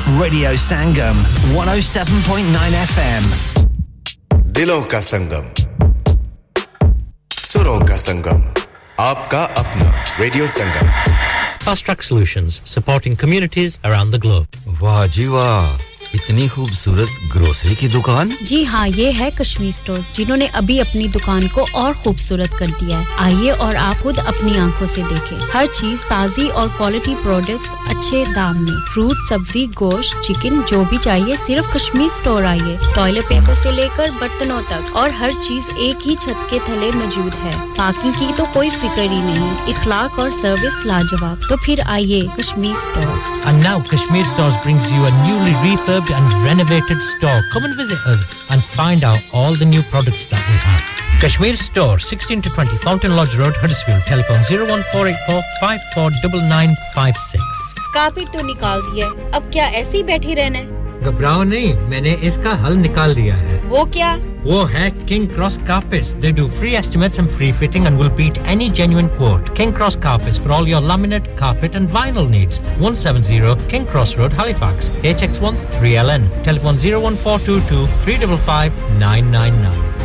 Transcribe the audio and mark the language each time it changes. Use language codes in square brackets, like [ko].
[en] Radio Sangam, 107.9 FM. [hi] Dilo ka Sangam. Suro ka Sangam. Aapka apna Radio Sangam. [en] Fast Track Solutions, supporting communities around the globe. [hi] Wah ji wah. इतनी खूबसूरत grocery की दुकान? जी हाँ, ये है Kashmir stores, जिन्होंने अभी अपनी दुकान को और खूबसूरत कर दिया है। आइए और आप खुद अपनी आंखों से देखें। हर चीज ताजी और क्वालिटी प्रोडक्ट्स अच्छे दाम में। फ्रूट, सब्जी, गोश्त, चिकन, जो भी चाहिए सिर्फ कश्मीर स्टोर आइए। टॉयलेट पेपर से लेकर बर्तनों तक और हर चीज एक ही छत के थले मौजूद है। पार्किंग की तो कोई फिक्र ही नहीं। इखलाक और सर्विस लाजवाब। तो फिर आइए Kashmir stores. [en] And now Kashmir Stores brings you a newly refurbed and renovated store. Come and visit us and find out all the new products that we have. Kashmir Store, 16 to 20 Fountain Lodge Road, Huddersfield. Telephone 01484 549956. [hi] Carpet to nikal diye. Ab kya aise hi baithi rehna hai? घबराओ नहीं मैंने इसका हल निकाल लिया है वो क्या वो है [en] King Cross Carpets they do free estimates and free fitting and will beat any genuine quote King Cross Carpets for all your laminate carpet and vinyl needs 170 King Cross Road Halifax HX1 3LN telephone 01422 355 999